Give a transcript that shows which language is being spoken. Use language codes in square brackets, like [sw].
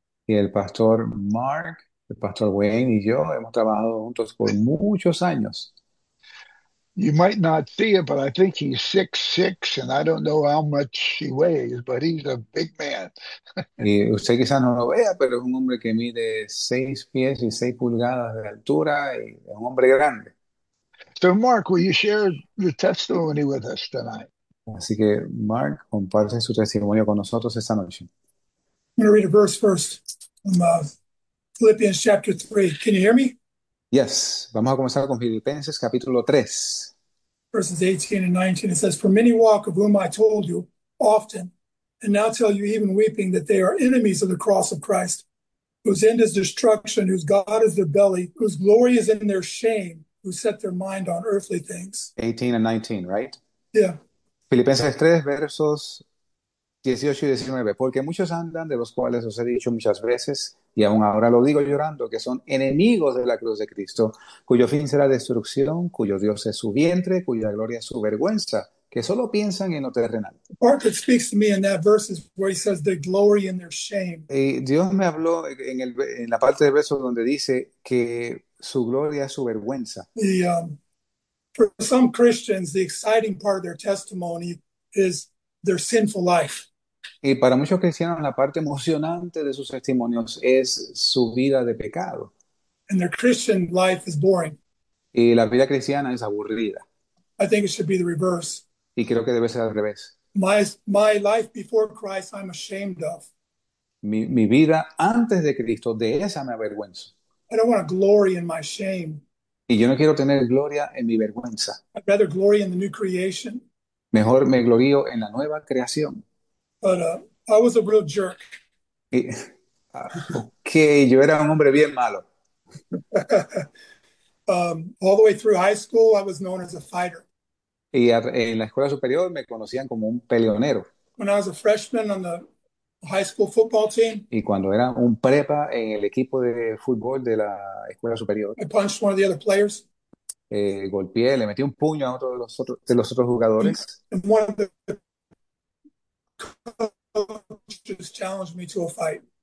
[es] Y el pastor Mark, el pastor Wayne y yo hemos trabajado juntos por muchos años. [en] You might not see it, but I think he's 6'6", and I don't know how much he weighs, but he's a big man. [es] Y usted quizás no lo vea, pero es un hombre que mide 6 pies y 6 pulgadas de altura y es un hombre grande. [en] So, Mark, will you share your testimony with us tonight? [es] Así que Mark comparte su testimonio con nosotros esta noche. [en] I'm going to read a verse first from Philippians chapter 3. Can you hear me? [es] Yes, vamos a comenzar con Filipenses capítulo 3. [en] Verses 18 and 19, it says, For many walk, of whom I told you often, and now tell you even weeping, that they are enemies of the cross of Christ, whose end is destruction, whose God is their belly, whose glory is in their shame, who set their mind on earthly things. 18 and 19, right? Yeah. [es] Filipenses 3, versos 18 y 19. Porque muchos andan, de los cuales os he dicho muchas veces, y aún ahora lo digo llorando, que son enemigos de la cruz de Cristo, cuyo fin será destrucción, cuyo Dios es su vientre, cuya gloria es su vergüenza, que solo piensan en lo terrenal. [en] Part that speaks to me in that verse is where he says they glory in their shame. [es] Y Dios me habló en la parte del verso donde dice que su gloria es su vergüenza. [en] For some Christians, the exciting part of their testimony is their sinful life. [es] Y para muchos cristianos la parte emocionante de sus testimonios es su vida de pecado. [en] And their Christian life is boring. [es] Y la vida cristiana es aburrida. [en] I think it should be the reverse. [es] Y creo que debe ser al revés. [en] My life before Christ, I'm ashamed of. [es] Mi vida antes de Cristo, de esa me avergüenzo. [en] I don't want to glory in my shame. [es] Y yo no quiero tener gloria en mi vergüenza. [en] I'd rather glory in the new creation. [es] Mejor me glorío en la nueva creación. [en] But I was a real jerk. [es] Okay, yo era un hombre bien malo. [en] All the way through high school, I was known as a fighter. [es] Y en la escuela superior me conocían como un peleonero. [en] When I was a freshman on the high school football team, [es] Y cuando era un prepa en el equipo de fútbol de la escuela superior, [en] I punched one of the other players. [es] golpeé, le metí un puño a otro de los otros jugadores. [en] And one of the coaches challenged me to a fight.